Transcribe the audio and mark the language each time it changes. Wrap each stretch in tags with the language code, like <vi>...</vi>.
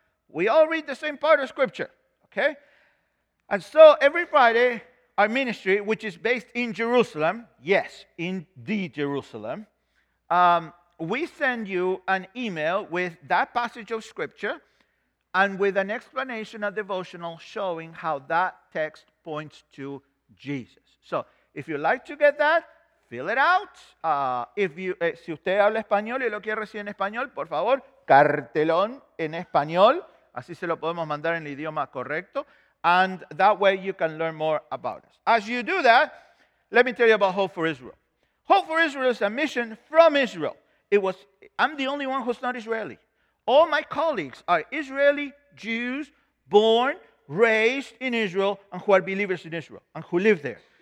<en>We all read the same part of Scripture, okay? And so every Friday, our ministry, which is based in Jerusalem, yes, indeed Jerusalem, we send you an email with that passage of Scripture and with an explanation, a devotional, showing how that text points to Jesus. So if you'd like to get that, fill it out.</en> <es>Si usted habla español y lo quiere recibir en español, por favor, cartelón en español. Así se lo podemos mandar en el idioma correcto.</es> <en>And that way you can learn more about us. As you do that, let me tell you about Hope for Israel. Hope for Israel is a mission from Israel. I'm the only one who's not Israeli. All my colleagues are Israeli Jews born, raised in Israel, and who are believers in Israel, and who live there.</en>